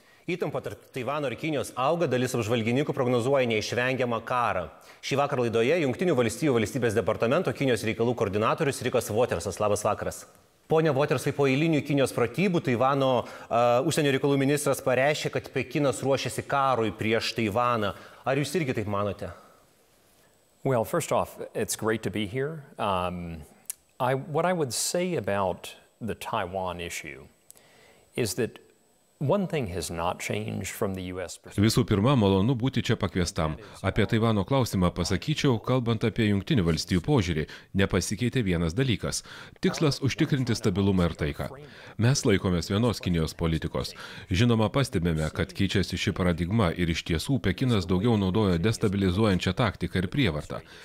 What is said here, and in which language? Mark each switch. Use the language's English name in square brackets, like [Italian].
[Lithuanian] Įtampa tarp Taivano ir Kinijos auga, dalis apžvalgininkų prognozuoja neišvengiamą karą. Šį vakarą laidoje Jungtinių valstybių valstybės departamento Kinijos reikalų koordinatorius Rikas Votersas. Labas vakaras. Pone Votersai, po eilinių Kinijos pratybų Taivano užsienio reikalų ministras pareiškė, kad Pekinas ruošiasi karui prieš Taivaną. Ar jūs irgi taip manote? [English] Well, first off, it's great to be here. What I would say about the Taiwan issue is that one thing has not changed from the US. [Lithuanian] Visų pirma, malonu būti čia pakviestam. Apie Taivano klausimą pasakyčiau, kalbant apie Jungtinių valstybių požiūrį, nepasikeitė vienas dalykas. Tikslas užtikrinti stabilumą ir taiką. Mes laikomės vienos Kinijos politikos. Žinoma, pastebėme, kad keičiasi ši paradigma ir iš tiesų Pekinas daugiau naudoja destabilizuojančią taktiką ir prievartą.